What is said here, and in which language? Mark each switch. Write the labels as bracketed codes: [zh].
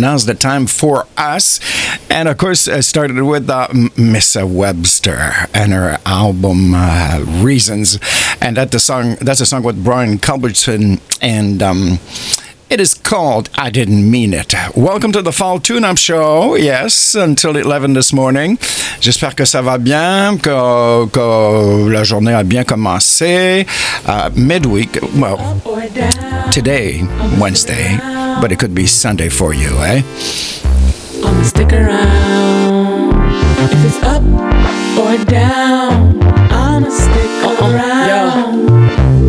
[en] Now's the time for us. And of course, it started with Miss Webster and her album Reasons. And that's a song with Brian Culbertson. And it is called I Didn't Mean It. Welcome to the Fall Tune-Up Show. Yes, until 11 this morning. [fr] J'espère que ça va bien, que la journée a bien commencé. [en] Midweek, well, today, Wednesday, but it could be Sunday for you, eh? I'm gonna stick around. If it's up or down, I'm gonna stick around.